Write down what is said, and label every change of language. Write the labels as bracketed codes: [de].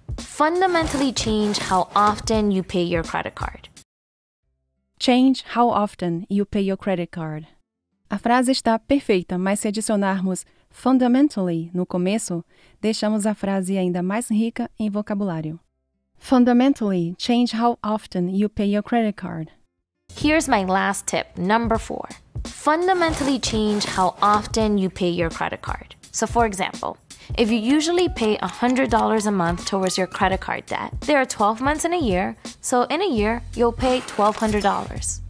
[en] Fundamentally change how often you pay your credit card. Change how often you pay your credit card. [pt] A frase está perfeita, mas se adicionarmos fundamentally no começo, deixamos a frase ainda mais rica em vocabulário. [en] Fundamentally change how often you pay your credit card. Here's my last tip, number 4. Fundamentally change how often you pay your credit card. So for example, if you usually pay $100 a month towards your credit card debt, there are 12 months in a year, so in a year, you'll pay $1,200.